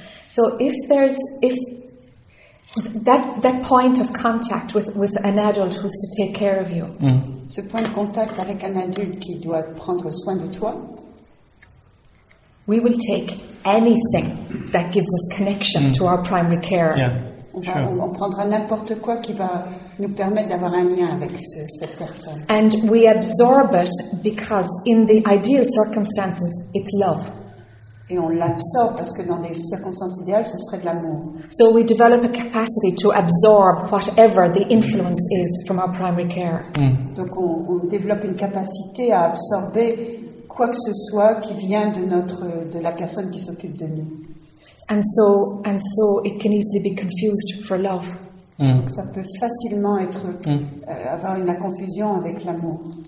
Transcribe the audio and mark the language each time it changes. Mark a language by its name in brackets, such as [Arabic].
[English] So if that point of contact with an adult who's to take care of you. [French] Ce point de contact avec un adulte qui doit prendre soin de toi. [English] We will take anything that gives us connection to our primary care. Yeah, sure. [French] On prendra n'importe quoi qui va nous permet d'avoir un lien avec cette personne. [English] And we absorb it because in the ideal circumstances it's love. [French] Et on l'absorbe parce que dans des circonstances idéales ce serait de l'amour. [English] So we develop a capacity to absorb whatever the influence is from our primary care. [French] Donc on développe une capacité à absorber quoi que ce soit qui vient de notre de la personne qui s'occupe de nous. [English] And so it can easily be confused for love. [French] Donc ça peut facilement être avoir une confusion avec l'amour.